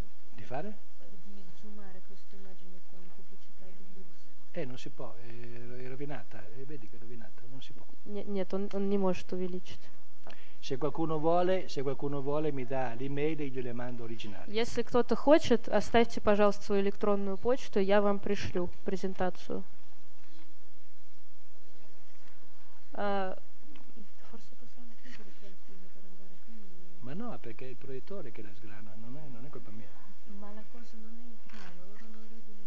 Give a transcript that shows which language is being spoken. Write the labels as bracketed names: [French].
[Italian] Di zoomare questa immagine con pubblicità di lusso. Non si può, è rovinata, vedi che è rovinata, non si può. Niente, non ne posso utilizzare. Se qualcuno vuole mi dà l'email e io le mando originali. [Russian] Если кто-то хочет, оставьте, пожалуйста, свою электронную почту, я вам пришлю презентацию. [Italian] Ma no, perché è il proiettore che la sgrana, non è colpa mia. Ma la cosa non è il problema, loro non vedono